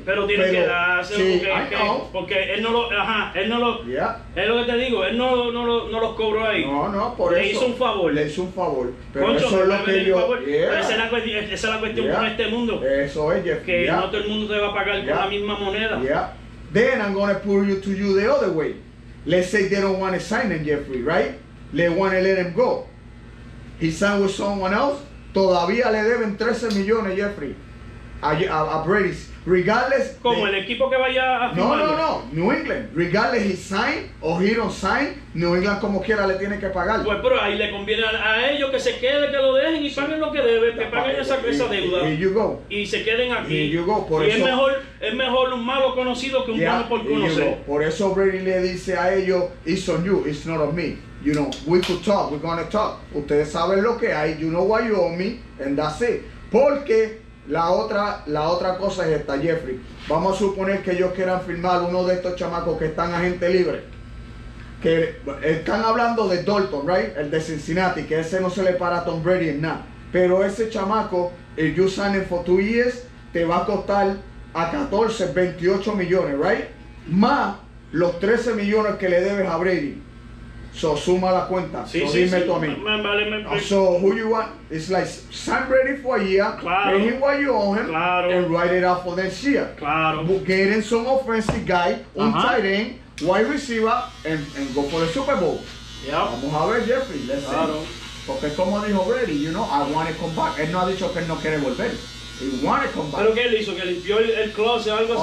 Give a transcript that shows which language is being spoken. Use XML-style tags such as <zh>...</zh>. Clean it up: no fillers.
<es>Pero tiene que darse, sí, porque él no lo, él no lo,</es> <en>yeah.</en> <es>Es lo que te digo, él no los cobró ahí. No, por le eso. Le hizo un favor. Pero Concho, eso es lo que yo. Yeah. Esa es la cuestión con este mundo. Eso es, Jeff. Que no todo el mundo te va a pagar con la misma moneda.</es> <en>Yeah. Then I'm gonna pull you to you the other way. Let's say they don't wanna sign him, Jeffrey, right? They wanna let him go. He signed with someone else.</en> <es>Todavía le deben 13 millones, Jeffrey. A Brady, regardless como el equipo que vaya a firmar.</es> <en>No, New England, regardless he sign o he don't sign, New England</en> <es>como quiera le tiene que pagar. Pues pero ahí le conviene a ellos que se quede, que lo dejen y paguen lo que debe, que paguen esa deuda.</es> <en>Here you go.</en> <es>Y se queden aquí.</es> <en>Here you go.</en> <es>Por y eso, es mejor un malo conocido que un bueno por conocer. Por eso Brady le dice a ellos,</es> <en>it's on you, it's not on me. You know, we could talk, we're gonna talk.</en> <es>Ustedes saben lo que hay,</es> <en>you know why you owe me, and that's it.</en> <es>Porque La otra cosa es esta, Jeffrey. Vamos a suponer que ellos quieran firmar uno de estos chamacos que están agente libre. Que están hablando de Dalton, right? El de Cincinnati, que ese no se le para a Tom Brady en nada. Pero ese chamaco, el</es> <en>you sign him for 2 years,</en> <es>te va a costar a 14, 28 millones, right? Más los 13 millones que le debes a Brady. So suma la cuenta. Sí,</es> <en>so</en> <es>sí, dime sí. Tú a mí.</es> <en>Man, so who you want? It's like sign Brady for a year.</en> <es>Claro.</es> <en>Pay him what you owe him.</en> <es>Claro.</es> <en>And write it out for next year.</en> <es>Claro.</es> <en>Get in some offensive guy, un tight end, wide receiver, and go for the Super Bowl. Yeah.</en> <es>Vamos a ver,</es> <en>Jeffrey. Let's see.</en> <es>Porque como dijo</es> <en>Brady, you know, I want to come back.</en> <es>Él no ha dicho que él no quiere volver.</es> <en>He want to come back.</en> <es>Pero que él hizo, que limpió el closet o algo así.</es>